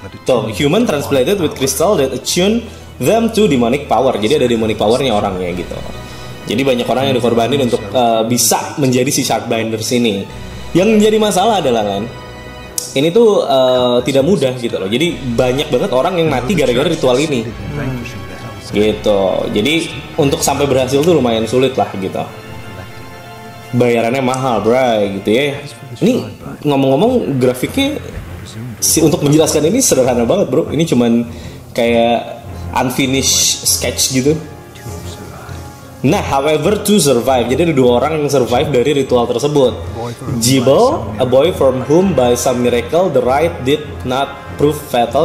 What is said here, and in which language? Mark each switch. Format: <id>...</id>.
<id>Tuh,</id> <en>human transplanted with crystal that attune them to demonic power.</en> <id>Jadi ada demonic powernya orangnya gitu. Jadi banyak orang yang dikorbanin untuk bisa menjadi si Shard Binders ini. Yang menjadi masalah adalah kan, ini tuh tidak mudah gitu loh. Jadi banyak banget orang yang mati gara-gara ritual ini. Gitu. Jadi untuk sampai berhasil tuh lumayan sulit lah gitu. Bayarannya mahal, bray, gitu ya. Ini ngomong-ngomong grafiknya si, untuk menjelaskan ini sederhana banget, bro. Ini cuman kayak</id> <en>unfinished sketch</en> <id>gitu.</id> <en>Nah, however to survive.</en> <id>Jadi ada dua orang yang survive dari ritual tersebut.</id> <en>Jibel, a boy from whom by some miracle the rite did not prove fatal.</en>